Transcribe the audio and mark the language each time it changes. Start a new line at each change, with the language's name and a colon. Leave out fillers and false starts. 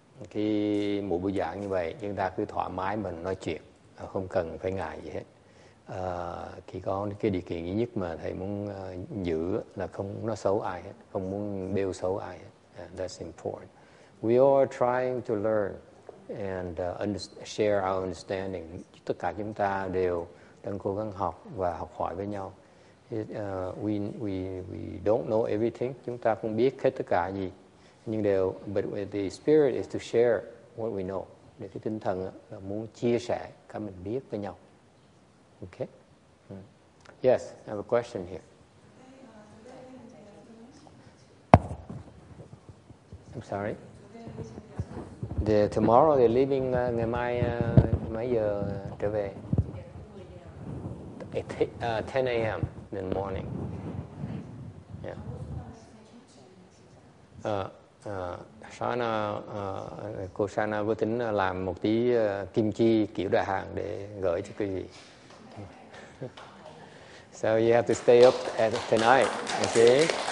Vietnamese: Cái mùa buổi giảng như vậy, chúng ta cứ thoải mái mình nói chuyện, không cần phải ngại gì hết. Khi có cái điều kiện duy nhất mà thầy muốn giữ là không nói xấu ai hết, không muốn bêu xấu ai hết.
English: That's important. We are trying to learn and share our understanding.
Vietnamese: Tất cả chúng ta đều đang cố gắng học và học hỏi với nhau.
English: We don't know everything.
Vietnamese: Chúng ta không biết hết tất cả gì. Nhưng đều,
English: but the spirit is to share what we know.
Vietnamese: Để cái tinh thần là muốn chia sẻ cái mình biết với nhau.
English: Okay. Yes, I have a question here. I'm sorry. Tomorrow they're leaving.
Vietnamese: Ngày mai mấy giờ trở về?
English: At 10 a.m. in the morning. Yeah.
Vietnamese: Shana, cô Shana vô tính làm một tí kim chi kiểu đại hàng để gửi cho quý vị.
English: So you have to stay up at tonight, okay?